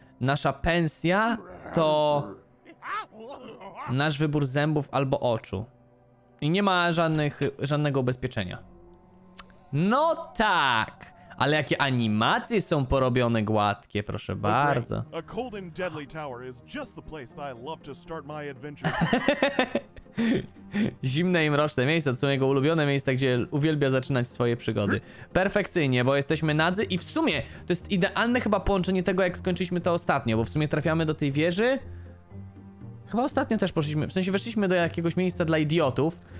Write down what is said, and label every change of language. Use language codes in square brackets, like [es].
[pl] Nasza pensja to nasz wybór zębów albo oczu. I nie ma żadnego ubezpieczenia. No tak. Ale jakie animacje są porobione gładkie, proszę bardzo. [en] A cold and deadly tower is just the place I love to start my adventure. [pl] Zimne i mroczne miejsca, to są jego ulubione miejsca, gdzie uwielbia zaczynać swoje przygody. Perfekcyjnie, bo jesteśmy nadzy i w sumie to jest idealne chyba połączenie tego, jak skończyliśmy to ostatnio, bo w sumie trafiamy do tej wieży. Chyba ostatnio też poszliśmy, w sensie weszliśmy do jakiegoś miejsca dla idiotów.